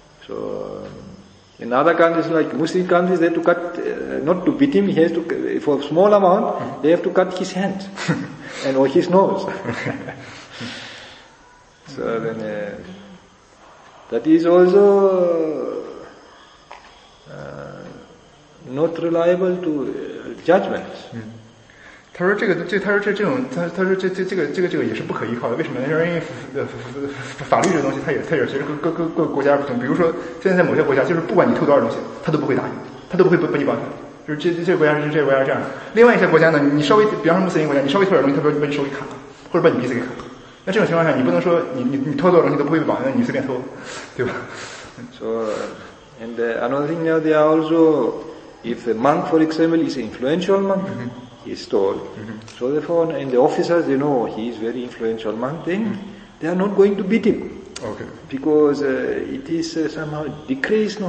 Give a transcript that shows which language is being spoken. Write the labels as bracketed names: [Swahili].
[English] So, in other countries, like Muslim countries, they have to cut, not to beat him, he has to, for a small amount, mm-hmm. they have to cut his hand, and or his nose. So mm-hmm. then, that is also not reliable to judgment. Mm-hmm. [Chinese] 他说这个这他说这这种他他说这这这个这个这个也是不可依靠的，为什么呢？因为法律这东西它也随着各国家不同，比如说现在在某些国家，就是不管你偷多少东西他都不会打你，他都不会把你绑起来，就是这国家是这国家是这样的。另外一些国家呢，你稍微比方说穆斯林国家，你稍微偷点东西他不会把你手给砍了，或者把你鼻子给砍了。那这种情况下你不能说你偷多少东西都不会被绑，那你随便偷，对吧？ [English] So and another thing now, they are also if a monk for example is an influential monk、 mm-hmm. is stole. Mm-hmm. So therefore, and the officers, you know, he is very influential monk, then mm-hmm. they are not going to beat him. Okay. Because it is somehow disgrace, no?